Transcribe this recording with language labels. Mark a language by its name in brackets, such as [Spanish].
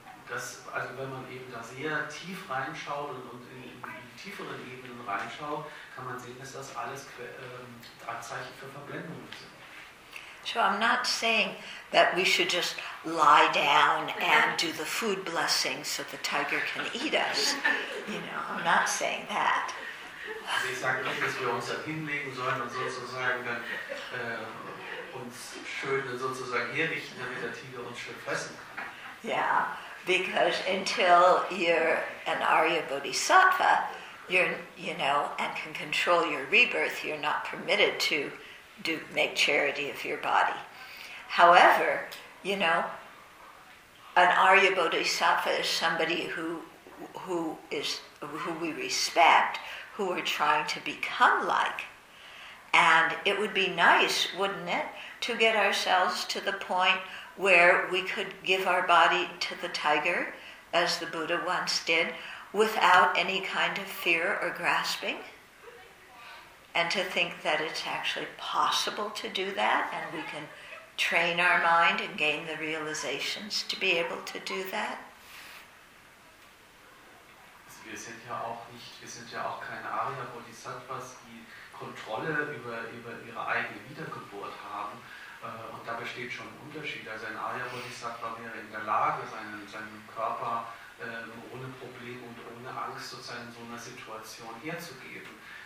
[German] Also wenn man eben da sehr tief reinschaut und in tieferen Ebenen reinschaut, kann man sehen, dass das alles Anzeichen für Verblendungen sind. [English] So I'm not saying that we should just lie down and do the food blessing so the tiger can eat us. You know, I'm not saying that. [German] Ich sage nicht, dass wir uns dann hinlegen sollen und sozusagen dann uns schön sozusagen herrichten, damit der Tiger uns schön fressen kann. [English] Yeah, because until you're an Arya Bodhisattva, and can control your rebirth, you're not permitted to do make charity of your body. However, you know, an Arya Bodhisattva is somebody who we respect, who we're trying to become like. And it would be nice, wouldn't it, to get ourselves to the point where we could give our body to the tiger, as the Buddha once did, without any kind of fear or grasping. And to think that it's actually possible to do that, and we can train our mind and gain the realizations to be able to do that. [German] Wir sind ja auch keine Arya Bodhisattvas, die Kontrolle über ihre eigene Wiedergeburt haben. Und da besteht schon ein Unterschied. Also ein Arya Bodhisattva wäre in der Lage, seinen Körper ohne Problem und ohne Angst sozusagen in so einer Situation herzugeben.